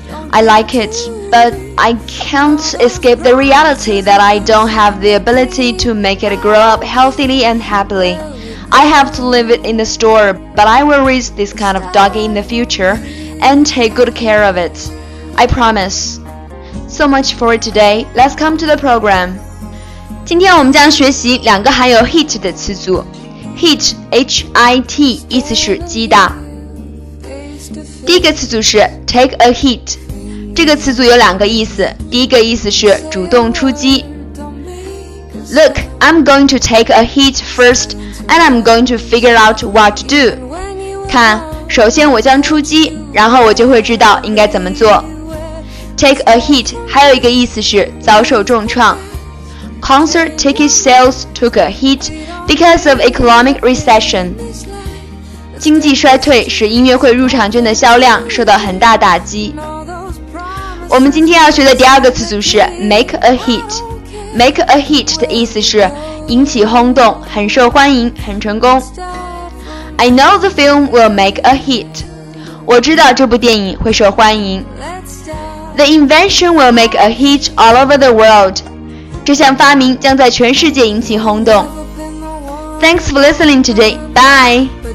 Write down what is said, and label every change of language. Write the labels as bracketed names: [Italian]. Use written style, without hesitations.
[English] I like it, but I can't escape the reality that I don't have the ability to make it grow up healthily and happily. I have to leave it in the store, but I will raise this kind of dog in the future and take good care of it. I promise. So much for today. Let's come to the program. [Chinese] 今天我们将学习两个含有 hit 的词组。hit, H-I-T, 意思是击打。第一个词组是 [English] take a hit。 [Chinese] 这个词组有两个意思。第一个意思是主动出击。 [English] Look, I'm going to take a hit first, and I'm going to figure out what to do. [Chinese] 看，首先我将出击，然后我就会知道应该怎么做。 [English] Take a hit [Chinese] 还有一个意思是遭受重创。 [English] Concert ticket sales took a hit because of economic recession. [Chinese] 经济衰退使音乐会入场券的销量受到很大打击。我们今天要学的第二个词组是 [English] make a hit. Make a hit [Chinese] 的意思是引起轰动，很受欢迎，很成功。 [English] I know the film will make a hit. [Chinese] 我知道这部电影会受欢迎。 [English] The invention will make a hit all over the world. [Chinese] 这项发明将在全世界引起轰动。 [English] Thanks for listening today. Bye.